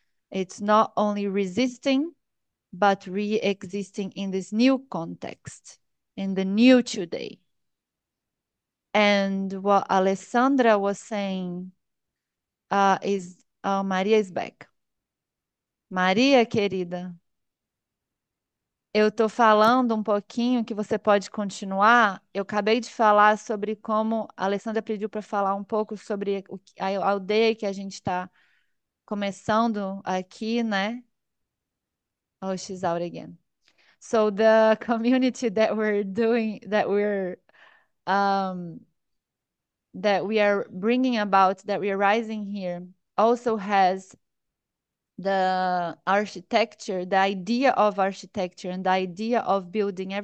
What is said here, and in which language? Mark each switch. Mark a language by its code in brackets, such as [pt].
[en] It's not only resisting, but re-existing in this new context, in the new today. And what Alessandra was saying is, Maria is back. Maria, querida. [pt] Eu estou falando um pouquinho que você pode continuar. Eu acabei de falar sobre como a Alessandra pediu para falar um pouco sobre a aldeia que a gente está começando aqui, né? [en] Oh, she's out again. So the community that we are bringing about, that we are rising here, also has the architecture, the idea of architecture, and the idea of building.